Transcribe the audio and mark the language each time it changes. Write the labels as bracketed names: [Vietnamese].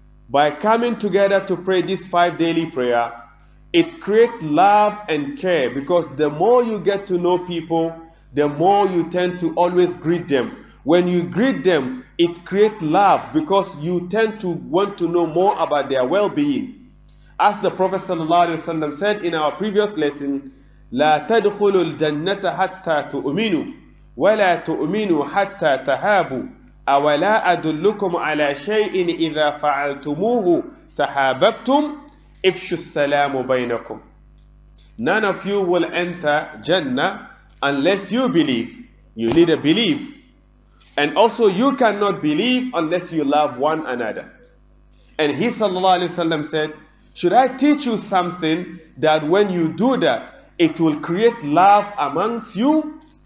[English] By coming together to pray this five daily prayer, it creates love and care, because the more you get to know people, the more you tend to always greet them. When you greet them, it creates love, because you tend to want to know more about their well-being. As the Prophet sallallahu alaihi wasallam said in our previous lesson, [Arabic] لا تدخل الجنة حتى تؤمنوا ولا تؤمنوا حتى تهابوا أولا أدلكم على شيء إذا فعلتموه تحاببتم افشوا السلام بينكم. [English] None of you will enter Jannah unless you believe. You need a belief. And also, you cannot believe unless you love one another. And he sallallahu alayhi wa sallam said, should I teach you something that when you do that, it will create love amongst you?